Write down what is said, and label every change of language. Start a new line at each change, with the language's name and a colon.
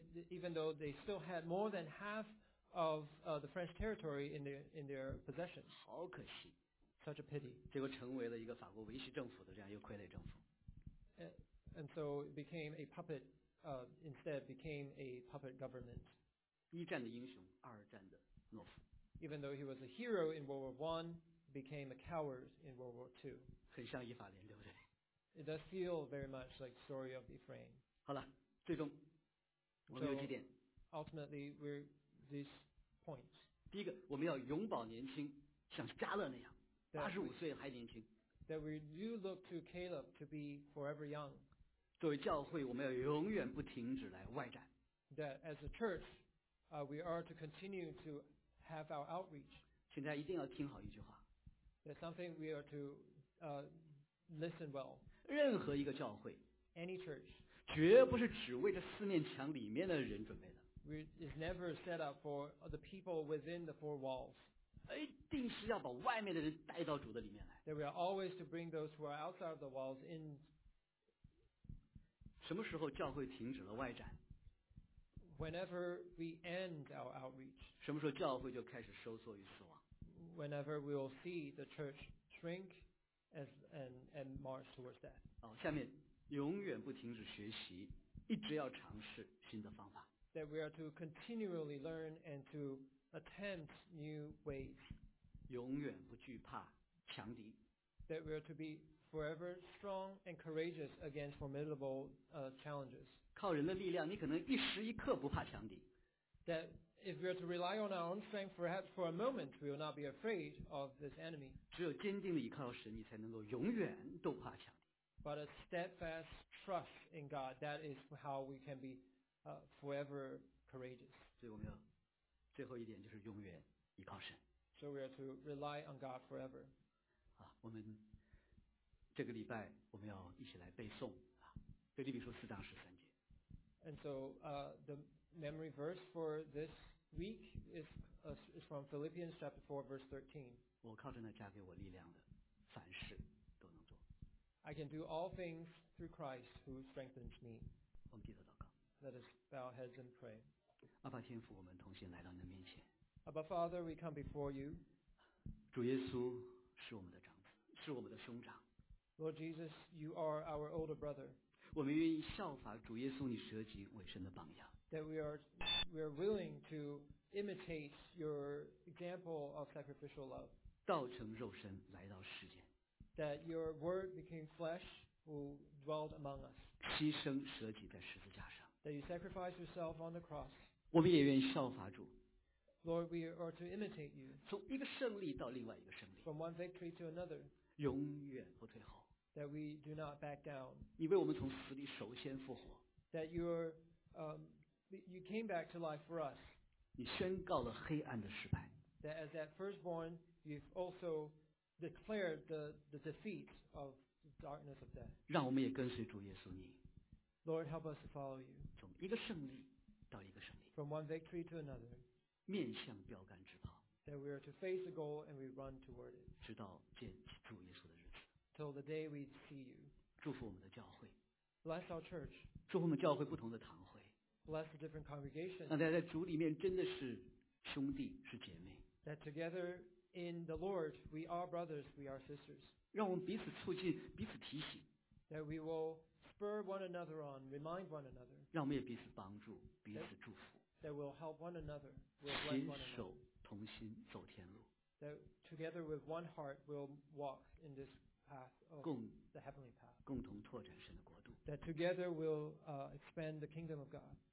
English: even though they still had more than half of the French territory in their possession
Chinese: 好可惜
English: such a pity
Chinese: 结果成为了一个法国维希政府的这样一个傀儡政府
English: And so it became a puppet, instead became a puppet government.
Chinese: 一战的英雄，二战的懦夫。
English: Even though he was a hero in World War I, became a coward in World War II.
Chinese: 很像以法莲，对不对
English: ？It does feel very much like the story of Ephraim.
Chinese: 好了，最终我们有几点。
English: So, ultimately, we're these points.
Chinese: 第一个，我们要永葆年轻，像迦勒那样，85岁还年轻。
English: That we do look to Caleb to be forever young.
Chinese: 作为教会，我们要永远不停止来外展。
English: That as a church, we are to continue to have our outreach.
Chinese: 请大家一定要听好一句话。
English: That something we are to listen well.
Chinese: 任何一个教会
English: ，any church，
Chinese: 绝不是只为这四面墙里面的人准备的。
English: It's never set up for the people within the four walls.
Chinese: 一定是要把外面的人带到主的里面来。
English: That we are always to bring those who are outside of the walls in.
Chinese: 什么时候教会停止了外展
English: ？Whenever we end our outreach.
Chinese: 什么时候教会就开始收缩与死亡
English: ？Whenever we will see the church shrink as and march towards death.
Chinese: 下面永远不停止学习，一直要尝试新的方法。
English: That we are to continually learn and to attempt new ways.
Chinese: 永远不惧怕强敌。
English: That we are to be forever strong and courageous against formidable challenges.
Chinese: 靠人的力量，你可能一时一刻不怕强敌。
English: That if we are to rely on our own strength, perhaps for a moment, we will not be afraid of this enemy.
Chinese: 只有坚定地依靠神，你才能够永远都怕强敌。
English: But a steadfast trust in God, that is how we can be forever courageous.
Chinese: 所以我们要最后一点就是永远依靠神。
English: So we are to rely on God forever.
Chinese: 我们这个礼拜我们要一起来背诵腓立比书四章十三节。
English: And so the memory verse for this week is from Philippians chapter 4 verse 13.
Chinese: 我靠着那加给我力量的凡事。
English: I can do all things through Christ who strengthens me.
Chinese: 我们低头祷告。
English: Let us bow our heads and pray.
Chinese: 阿爸天父，我们同心来到你的面前。
English: Abba Father, we come before you.
Chinese: 主耶稣是我们的长子，是我们的兄长。
English: Lord Jesus, you are our older brother.
Chinese: 我们愿意效法主耶稣你舍己委身的榜样。
English: That we are willing to imitate your example of sacrificial love.
Chinese: 道成肉身来到世间。
English: That your word became flesh who dwelt among us.
Chinese: 牺牲舍己在十字架上。
English: That you sacrificed yourself on the cross.
Chinese: 我们也愿意效法主。
English: Lord, we are to imitate you.
Chinese: 从一个胜利到另外一个胜利。
English: From one victory to another.
Chinese: 永远不退后。
English: That we do not back down.
Chinese: 你为我们从死里首先复活。
English: That you came back to life for us.
Chinese: 你宣告了黑暗的失败。
English: That as that firstborn, you've also declared the defeat of the darkness of death.
Chinese: 让我们也跟随主耶稣你。
English: Lord, help us to follow you.
Chinese: 从一个胜利到一个胜利。
English: From one victory to another.
Chinese: 面向标杆直跑。
English: That we are to face the goal and we run toward it.
Chinese: 直到见主耶稣的日子。
English: Till the day we see you.
Chinese: 祝福我们的教会。
English: Bless our church.
Chinese: 祝福我们教会不同的堂会。
English: Bless the different congregations.
Chinese: 让大家在主里面真的是兄弟，是姐妹。
English: That together. In the Lord, we are brothers, we are sisters.
Chinese: 让我们彼此促进，彼此提醒。
English: That we will spur one another on, remind one another.
Chinese: 让我们也彼此帮助，彼此祝福。
English: That we'll help one another, we'll bless one another.
Chinese: 携手同心走天路。
English: That together with one heart, we'll walk in this path of the heavenly path.
Chinese: 共同拓展神的国度。
English: That together we'll expand the kingdom of God.